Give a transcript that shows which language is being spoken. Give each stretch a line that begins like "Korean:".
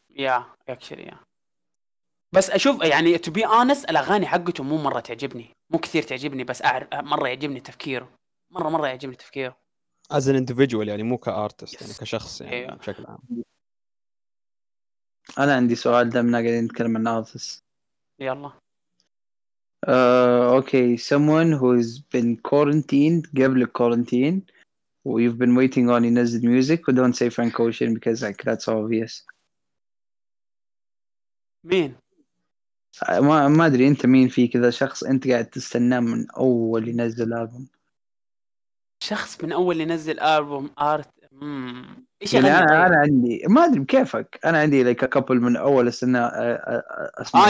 Arabic: يا اكشلي يا بس اشوف يعني
English: to be honest
Arabic: الاغاني حقته مو مره تعجبني مو كثير تعجبني بس اعرف مره يعجبني تفكيره مره يعجبني تفكيره
English: as an individual
Arabic: يعني مو كارتست يعني كشخص يعني أيوة. بشكل عام انا عندي سؤال دمنا قاعدين نتكلم عن ناظس يلا
English: okay someone who's been quarantined
Arabic: قبل الكورنتين
English: you've been waiting on ينزل music but don't say Frank Ocean because like that's obvious
Arabic: مين ما أدري أنت مين في كذا شخص أنت قاعد تستناه من أول اللي نزل ألبوم شخص من أول اللي نزل ألبوم آرت إيش يعني أنا عندي ما أدري بكيفك أنا عندي
English: like a couple
Arabic: من أول استنى أسمع